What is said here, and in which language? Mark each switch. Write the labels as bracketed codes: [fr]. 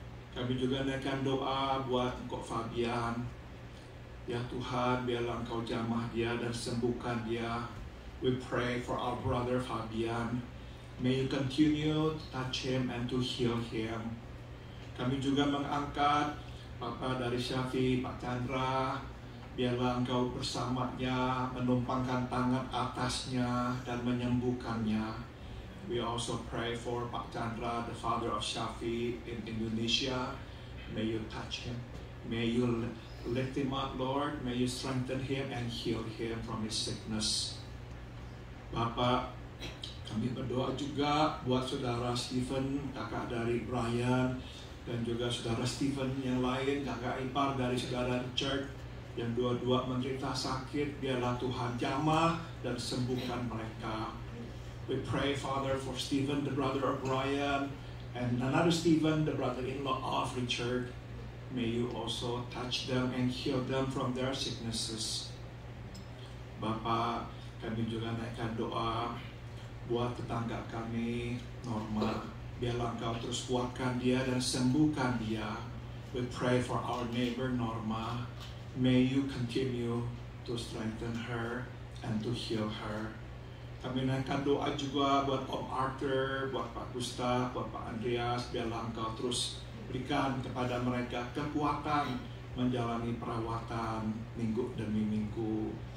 [id] Kami juga naikkan doa buat Ko Fabian. Ya Tuhan, biarlah Engkau jamah dia dan sembuhkan dia. [en] We pray for our brother Fabian. May you continue to touch him and to heal him. [id] Kami juga mengangkat Papa dari Syafi, Pak Chandra, biarlah Engkau bersamanya, menumpangkan tangan atasnya dan menyembuhkannya. [en] We also pray for Pak Chandra, the father of Shafi in Indonesia. May you touch him. May you lift him up, Lord. May you strengthen him and heal him from his sickness. [id] Bapak, kami berdoa juga buat saudara Stephen, kakak dari Brian, dan juga saudara Stephen yang lain, kakak ipar dari saudara Richard, yang dua-dua menderita sakit, biarlah Tuhan jamah dan sembuhkan mereka. [en] We pray, Father, for Stephen, the brother of Brian, and another Stephen, the brother-in-law of Richard. May you also touch them and heal them from their sicknesses. [id] Bapak, kami juga naikkan doa buat tetangga kami, Norma. Biarlah Engkau terus kuatkan dia dan sembuhkan dia. [en] We pray for our neighbor, Norma. May you continue to strengthen her and to heal her. [id] Kami naikkan doa juga buat Om Arthur, buat Pak Gustav, buat Pak Andreas. Biarlah Engkau terus berikan kepada mereka kekuatan menjalani perawatan minggu demi minggu.